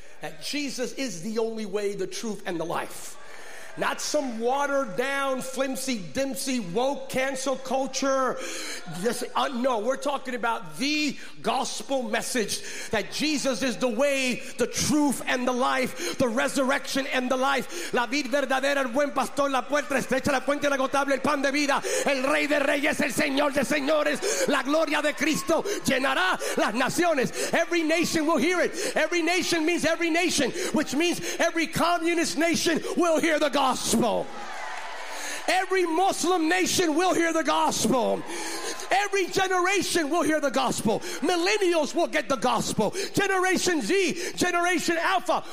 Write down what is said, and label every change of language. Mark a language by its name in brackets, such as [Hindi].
[English] That Jesus is the only way, the truth, and the life. Not some watered down, flimsy, dimsy, woke, cancel culture. No, we're talking about the gospel message that Jesus is the way, the truth, and the life, the resurrection and the life. [Spanish] La vid verdadera, el buen pastor, la puerta estrecha, la fuente inagotable, el pan de vida, el rey de reyes, el señor de señores. La gloria de Cristo llenará las naciones. [English] Every nation will hear it. Every nation means every nation, which means every communist nation will hear the gospel. Every Muslim nation will hear the gospel. Every generation will hear the gospel. Millennials will get the gospel. Generation Z, Generation Alpha.